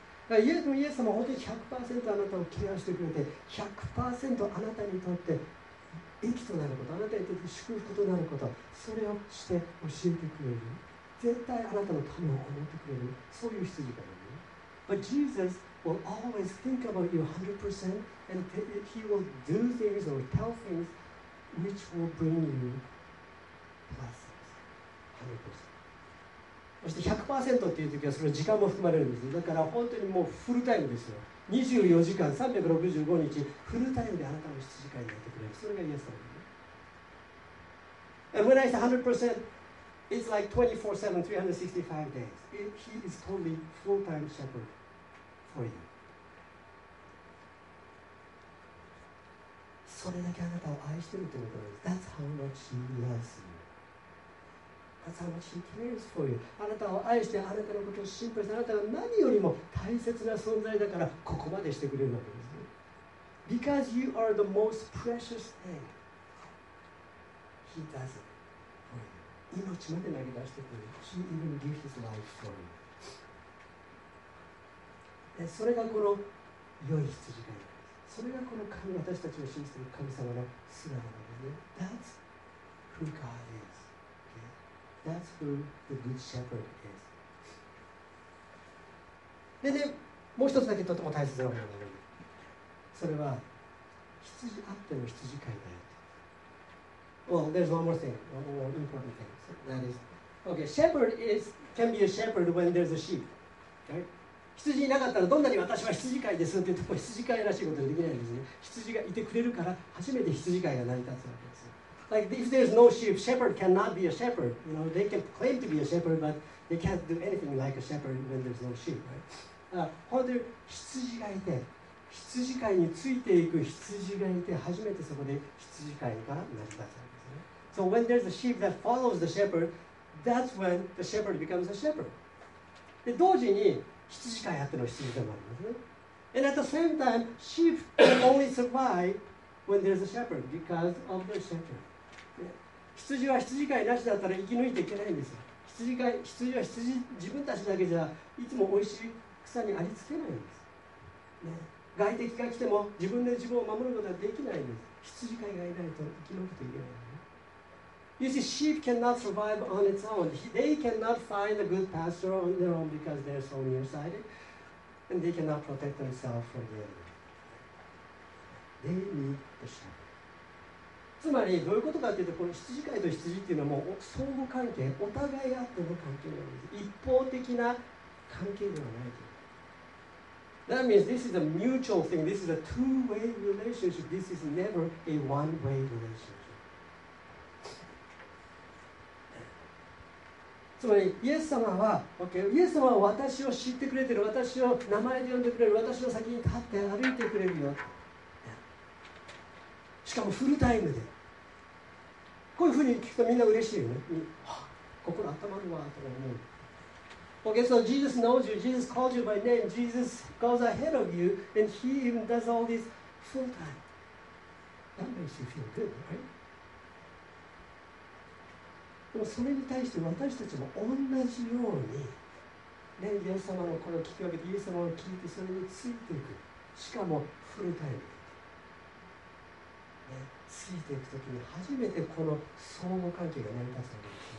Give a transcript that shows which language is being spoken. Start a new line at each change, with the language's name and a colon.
Japanese: イエス様は本当に 100% あなたをケアしてくれて 100% あなたにとって生きとなること、あなたにとって祝福となること、それをして教えてくれる、絶対あなたのためを思ってくれる、そういう羊がいる。
English: But Jesus will always think about you 100% and he will do things or tell things which will bring you blessing.
Japanese: そして 100% っていうときはそれ時間も含まれるんです。だから本当にもうフルタイムですよ。 24時間365日フルタイムであなたの羊飼いになってくれる、それがイエス様。
English: And when I say 100%, it's like 24/7, 365 days. He is totally full-time shepherd for you.
Japanese: それだけあなたを愛してるってことです。
English: That's how much he loves you. That's how much he cares for you.
Japanese: あなたを愛して、あなたのことを心配して、あなたが何よりも大切な存在だから、ここまでしてくれるわけですね。
English: Because you are the most precious thing, he does it for you.
Japanese: 命まで投げ出してくれる。
English: He even gives his life for you.
Japanese: で、それがこの良い羊飼い。それがこの神、私たちを信じている神様の姿なんですね。
English: That's who God is. That's who the good shepherd is.
Japanese: でね、もう一つだけとても大切なものがある。それは羊あっての羊飼いだよ。
English: Well, there's one more thing, one more important thing. So, that is, okay, shepherd is can be a shepherd when there's a sheep. Right?
Japanese: 羊いなかったらどんなに私は羊飼いですって言っても羊飼いらしいことはできないんですね。羊がいてくれるから初めて羊飼いが成り立つわけです。
English: Like if there's no sheep, shepherd cannot be a shepherd. You know, they can claim to be a shepherd, but they can't do anything like a shepherd when there's no sheep, right?
Japanese: 本当に羊がいて、羊飼いについていく羊がいて、初めてそこで羊飼いが成り立つんですね。
English: So when there's a sheep that follows the shepherd, that's when the shepherd becomes a shepherd.
Japanese: で、同時に羊飼いあっての羊でもありますね。
English: And at the same time, sheep can only survive when there's a shepherd because of the shepherd.
Japanese: 羊は羊飼いなしだったら生き抜いていけないんですよ。羊は羊自分たちだけじゃいつもおいしい草にありつけないんです、ね、外敵が来ても自分で自分を守ることはできないんです。羊飼いがいないと生き抜くといけない、ね、
English: You see, sheep cannot survive on its own. They cannot find a good pasture on their own because they're so nearsighted and they cannot protect themselves from the enemy. They need the shepherd.
Japanese: つまりどういうことかというと、この羊飼いと羊っていうのはもう相互関係、お互いあっての関係なんです。一方的な関係ではないという。
English: That means this is a mutual thing. This is a two-way relationship. This is never a one-way relationship.
Japanese: つまりイエス様は、イエス様は私を知ってくれてる、私を名前で呼んでくれる、私の先に立って歩いてくれるよ。しかもフルタイムで、こういうふうに聞くとみんな嬉しいよね。心温まるわとか思う。
English: Okay, so Jesus knows you. Jesus calls you by name. Jesus goes ahead of you, and he even does all this full time. That makes you feel good, right?
Japanese: でもそれに対して私たちも同じように、ね、イエス様の声を聞き分けて、イエス様を聞いてそれについていく。しかもフルタイム。ついていくときに初めてこの相互関係が成り立つわけです。